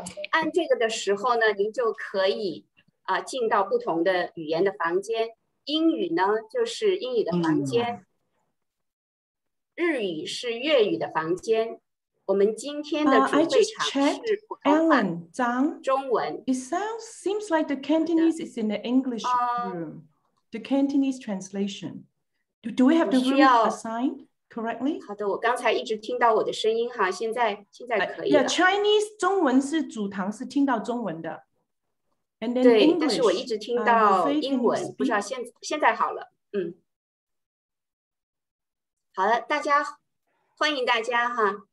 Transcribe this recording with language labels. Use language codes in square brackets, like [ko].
[zh] 按这个的时候呢，您就可以进到不同的语言的房间。英语呢，就是英语的房间。日语是粤语的房间。我们今天的主会场是普通话。 Alan, Zhang, 中文。 [en] It sounds seems like the Cantonese is in the English room. The Cantonese translation. Do we have the room assigned? Correctly. [zh] 好的，我刚才一直听到我的声音哈，现在可以了。 [en] Yeah, Chinese [zh] 中文是主堂，是听到中文的。 [en] And then [zh] 对， [en] English, [zh] 但是我一直听到英文，不知道现在好了。嗯，好了，大家欢迎大家哈。